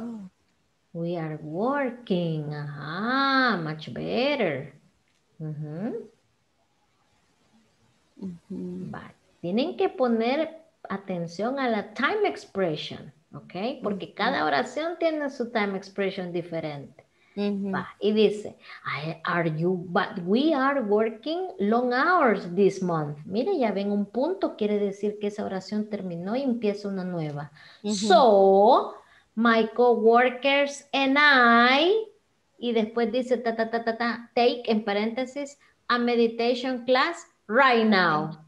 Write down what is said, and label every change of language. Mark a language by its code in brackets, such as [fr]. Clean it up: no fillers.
[en] Wow. We are working. Ajá. Much better. Uh-huh. Uh-huh. [es] Tienen que poner atención a la time expression. Ok. Porque uh-huh. Cada oración tiene su time expression diferente. Uh-huh. Y dice, [en] but we are working long hours this month. [es] Mire, ya ven un punto, quiere decir que esa oración terminó y empieza una nueva. [en] Uh-huh. So, my coworkers and I, [es] y después dice ta ta ta ta ta, take en paréntesis [en] a meditation class right now.